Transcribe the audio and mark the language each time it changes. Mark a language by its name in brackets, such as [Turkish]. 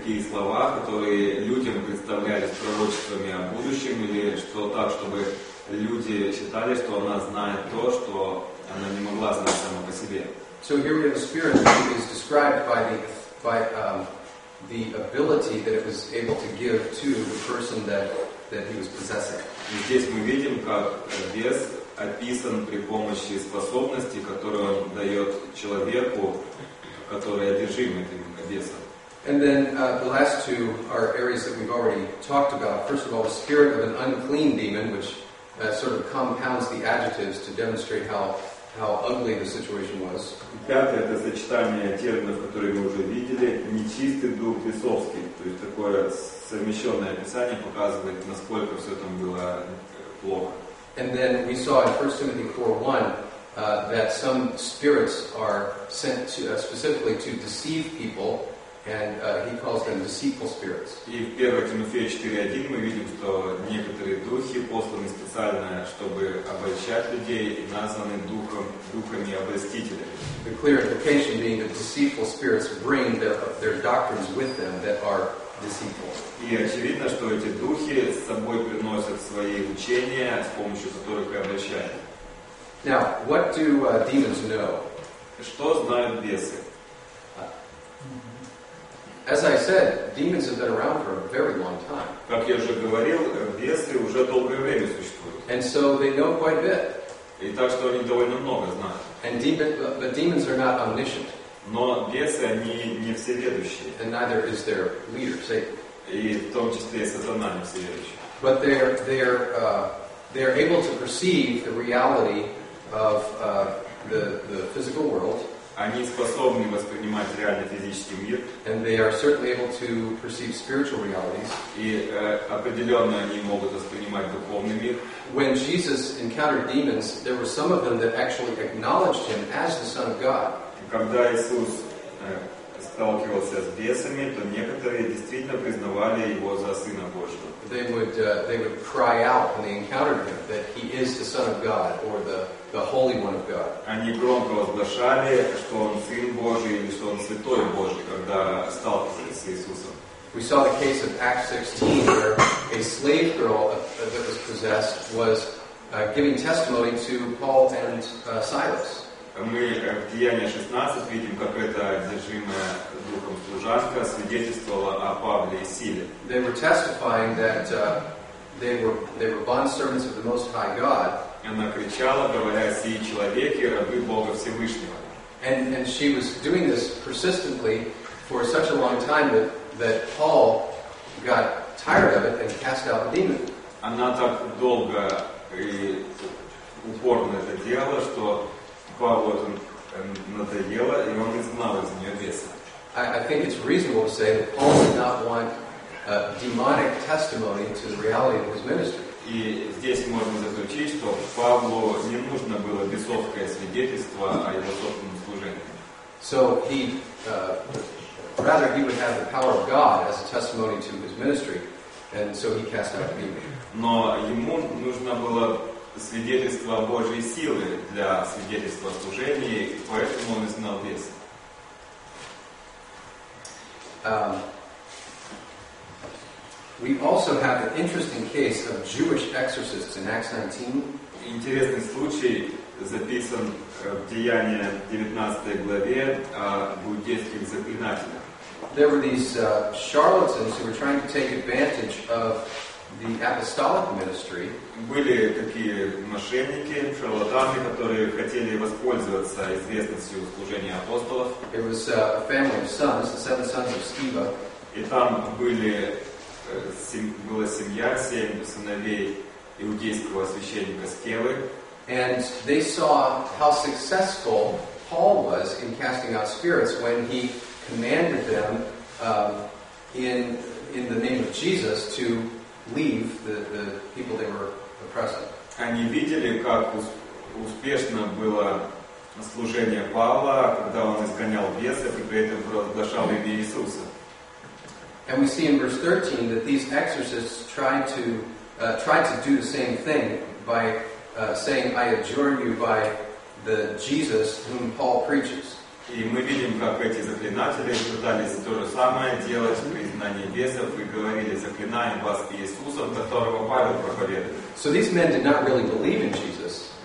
[Russian] слова, которые людям представлялись пророчествами о будущем, или что так, чтобы люди считали, что она знает то, что она не могла знать сама по себе. [English] So here we have a spirit that is described by the ability that it was able to give to the person that he was possessing. [Russian] И здесь мы видим, как бес описан при помощи способности, которую он дает человеку, который одержим этим бесом. [English] And then the last two are areas that we've already talked about. First of all, the spirit of an unclean demon, which sort of compounds the adjectives to demonstrate how ugly the situation was. [Russian] Пятое — это сочетание терминов, которые мы уже видели, нечистый дух бесовский. То есть такое совмещенное описание показывает, насколько все там было плохо. [English] And then we saw in 1 Timothy 4:1 that some spirits are sent to, specifically to deceive people, and he calls them deceitful spirits. [Russian] И в 1 Тимофея 4:1 мы видим, что некоторые духи посланы специально, чтобы обольщать людей, названы духами обольстителями. [English] The clear implication being that deceitful spirits bring their doctrines with them that are deceitful. [Russian] И очевидно, что эти духи с собой приносят свои учения, с помощью которых и обольщают. [English] Now, what do demons know? [Russian] Что знают бесы? [English] As I said, demons have been around for a very long time. [Russian] Как я уже говорил, бесы уже долгое время существуют. [English] And so they know quite a bit. [Russian] И так что они довольно много знают. [English] And but demons are not omniscient. [Russian] Но бесы, они не всеведущие. [English] And neither is their leader, Satan. [Russian] И в том числе и сатана не всеведущий. [English] But they're able to perceive the reality of the physical world. [Russian] Они способны воспринимать реальный физический мир. [English] And they are certainly able to perceive spiritual realities. [Russian] И определенно они могут воспринимать духовный мир. [English] When Jesus encountered demons, there were some of them that actually acknowledged him as the Son of God. [Russian] Когда Иисус сталкивался с бесами, то некоторые действительно признавали его за Сына Божьего. [English] They would cry out when they encountered him that he is the Son of God or the Holy One of God. [Russian] Они громко возглашали, что он Сын Божий или что он Святой Божий, когда сталкивались с Иисусом. [English] We saw the case of Acts 16, where a slave girl that was possessed was giving testimony to Paul and Silas. [Russian] Мы в Деянии 16 видим, как эта одержимая духом служанка свидетельствовала о Павле и Силе. [English] They were testifying that they were bondservants of the Most High God. [Russian] И она кричала, говоря: «Сии человеки, рабы Бога Всевышнего». [English] And she was doing this persistently for such a long time that Paul got tired of it and cast out the demon. [Russian] Она так долго и упорно это делала, что надоело, и он изгнал из нее беса. [English] I think it's reasonable to say that Paul did not want demonic testimony to the reality of his ministry. [Russian] И здесь можно заключить, что Павлу не нужно было бесовское свидетельство о его собственном служении. [English] So he would have the power of God as a testimony to his ministry, and so he cast out the demon. [Russian] Но ему нужно было свидетельство Божьей силы для свидетельства служения, поэтому он изгнал беса. [English] We also have an interesting case of Jewish exorcists in Acts 19. [Russian] Интересный случай записан в Деяния 19 главе о буддийских заклинателях. [English] There were these charlatans who were trying to take advantage of the apostolic ministry. [Russian] Были такие мошенники, шарлатаны, которые хотели воспользоваться известностью служения апостолов. [English] It was a family of sons, the seven sons of Sceva. [Russian] И там была семья, семь сыновей иудейского священника Скевы. [English] And they saw how successful Paul was in casting out spirits when he commanded them in the name of Jesus to leave the people they were oppressing. [Russian] Они видели, как успешно было служение Павла, когда он изгонял бесов и при этом провозглашал имя Иисуса. [English] And we see in verse 13 that these exorcists tried to do the same thing by saying, "I adjure you by the Jesus whom Paul preaches." [Russian] И мы видим, как эти заклинатели пытались то же самое делать, признание бесов, и говорили, заклинаем вас Иисусом, которого Павел проповедует. [English] So these men did not really believe in Jesus.